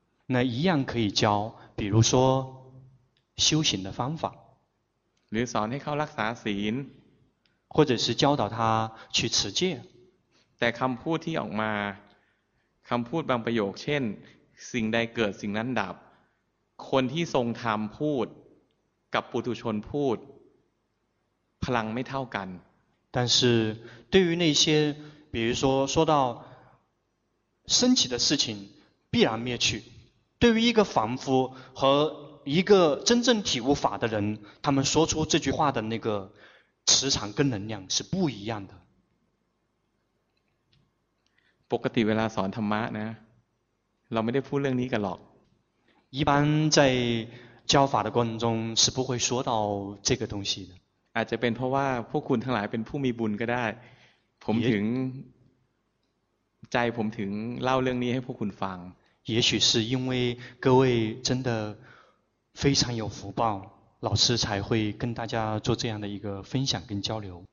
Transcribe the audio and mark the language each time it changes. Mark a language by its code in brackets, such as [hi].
[zh] 那一样可以教比如说修行的方法 [th] หรือสอนให้เขารักษาศีล [zh] 或者是教导他去持戒 [th] แต่คำพูดที่ออกมาคำพูดบางประโยคเช่นสิ่งใดเกิดสิ่งนั้นดับคนที่ทรงธรรมพูดกับปุถุชนพูดพลังไม่เท่ากัน [zh] 但是对于那些比如说说到升起的事情必然灭去对于一个凡夫和一个真正体悟法的人他们说出这句话的那个磁场跟能量是不一样的 [th] ปกติเวลาสอนธรรมะนะเราไม่ได้พูดเรื่องนี้กันหรอก [zh] 一般在教法的过程中是不会说到这个东西的 [th] อาจจะเป็นเพราะว่าพวกคุณทั้งหลายเป็นผู้มีบุญก็ได้ผมถึงใจผมถึงเล่าเรื่องนี้ให้พวกคุณฟัง [zh] 也许是因为各位真的非常有福报老师才会跟大家做这样的一个分享跟交流